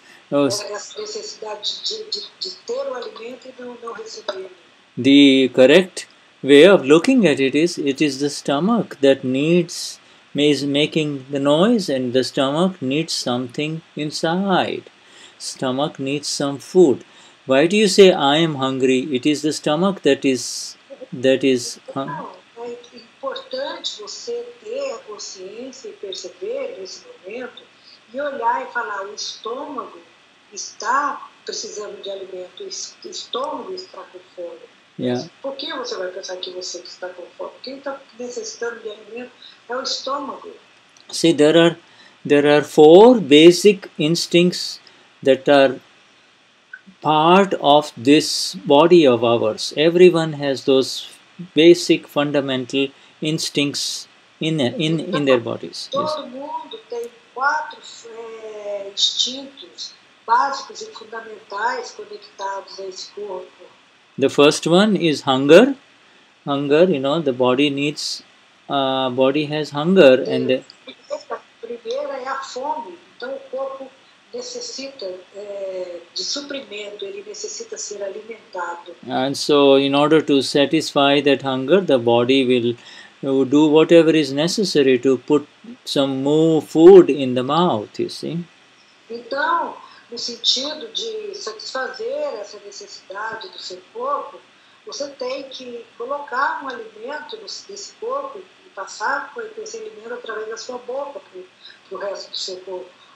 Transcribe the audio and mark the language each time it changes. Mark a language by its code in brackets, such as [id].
[pt] Essa necessidade de ter o alimento e não receber. [en] The correct way of looking at it is the stomach that needs... is making the noise, and the stomach needs something inside. Stomach needs some food. Why do you say I am hungry? It is the stomach that is hungry. [pt] É importante você ter a consciência e perceber nesse momento e olhar e falar, o estômago está precisando de alimento, o estômago está com fome. [en] Yeah. [pt] Por que você vai pensar que você está com fome? Quem está necessitando de alimento é o estômago. [en] See, there are four basic instincts that are part of this body of ours. Everyone has those basic fundamental instincts in their bodies. [pt] Todo mundo tem quatro instintos básicos e fundamentais conectados a esse corpo. [en] The first one is hunger. Hunger, you know, the body needs, body has hunger. And the [pt] primeira é a fome. Então o corpo necessita de suprimento, ele necessita ser alimentado. [en] And so in order to satisfy that hunger, the body will do whatever is necessary to put some more food in the mouth, you see. [pt] Então, no sentido de satisfazer essa necessidade do seu corpo, você tem que colocar um alimento nesse corpo e passar esse alimento através da sua boca para o resto do seu corpo.